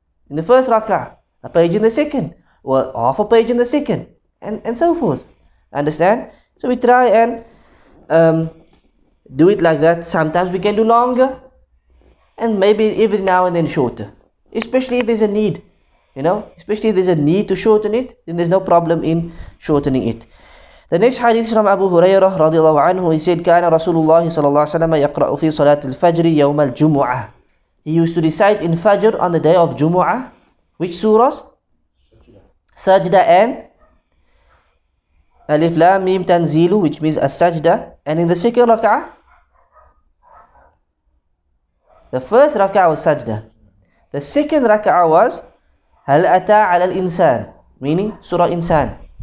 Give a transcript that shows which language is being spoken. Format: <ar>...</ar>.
<en>in the first rak'ah, a page in the second, or half a page in the second, and so forth. Understand? So we try and do it like that. Sometimes we can do longer, and maybe every now and then shorter. Especially if there's a need, you know, especially if there's a need to shorten it, then there's no problem in shortening it. The next hadith from Abu Hurairah radiallahu anhu, he said,</en> <ar>كان رسول الله صلى الله عليه وسلم يقرأ في صلاة الفجر يوم الجمعة.</ar> <en>He used to recite in Fajr on the day of Jumu'ah. Which surahs? Sajda and Alif Lam Mim Tanzilu, which means As-Sajda. And in the second rak'ah? The first rak'ah was Sajda. The second rak'ah was Hal Ata Ala Al-Insan, meaning Surah Insan.</en>